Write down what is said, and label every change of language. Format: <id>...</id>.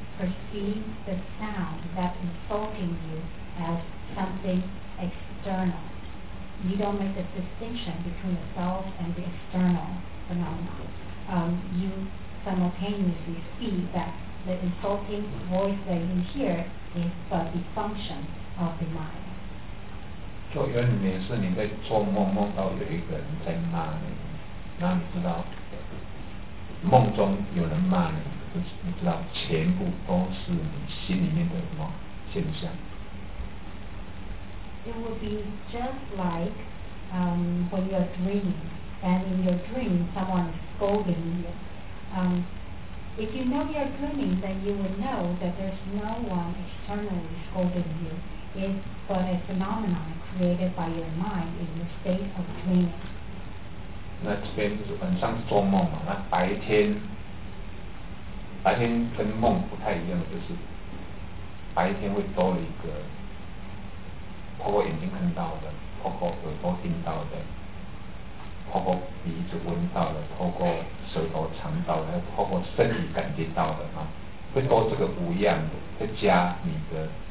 <en>Perceive the sound that's insulting you as something external. You don't make the distinction between yourself and the external phenomenon. You simultaneously see that the insulting voice that you hear is but the function of the mind.</en> <zh>就原理是你在做梦，梦到有一个人在骂你，那你知道梦中有人骂你。你知道全部都是你心里面的什么现象。</zh> <en>It would be just like when you're dreaming, and in your dream someone is scolding you. If you know you're dreaming, then you would know that there's no one externally scolding you. It's but a phenomenon created by your mind in your state of dreaming.</en> <zh>那这边就是晚上做梦嘛，那白天跟梦不太一样，就是白天会多了一个透过眼睛看到的，透过耳朵听到的，透过鼻子闻到的，透过舌头尝到的，透过身体感觉到的啊，会多这个五样的，再加你的</zh>